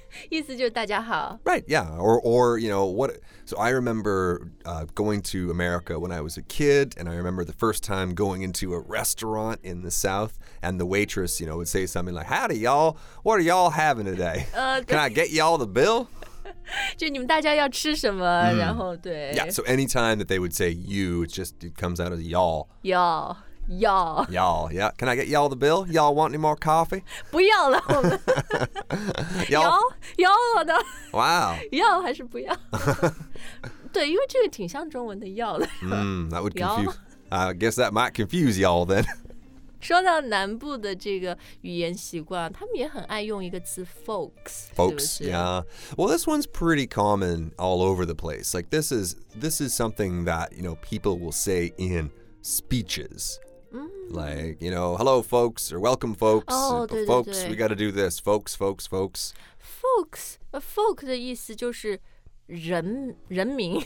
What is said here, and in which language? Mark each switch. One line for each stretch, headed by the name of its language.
Chinese: 意思就是大家好。
English: Right, yeah. Or, you know, what, so I remember going to America when I was a kid, and I remember the first time going into a restaurant in the south, and the waitress, you know, would say something like, Howdy, y'all. What are y'all having today? Can I get y'all the bill?
Chinese: 就你们大家要吃什么、然后对
English: Yeah, so anytime that they would say you, it's just, it comes out as y'all. Y'all, y'all. Y'all, yeah. Can I get y'all the bill? Y'all want any more coffee?
Chinese: 不要了我们
English: Y'all?
Chinese: Y'all 的
English: Wow.
Chinese: Y'all 还是不要对因为这个挺像中文的 y'all 的
English: That would confuse. I guess that might confuse y'all then.
Chinese: 说到南部的这个语言习惯，他们也很爱用一个词 folks,
English: folks,
Chinese: 是不是?
English: Yeah. Well, this one's pretty common all over the place. Like, this is something that, you know, people will say in speeches. Like, you know, hello, folks, or welcome, folks. Oh, but folks, we got to do this. Folks, folks, folks.
Chinese: Folks, folk 的意思就是人民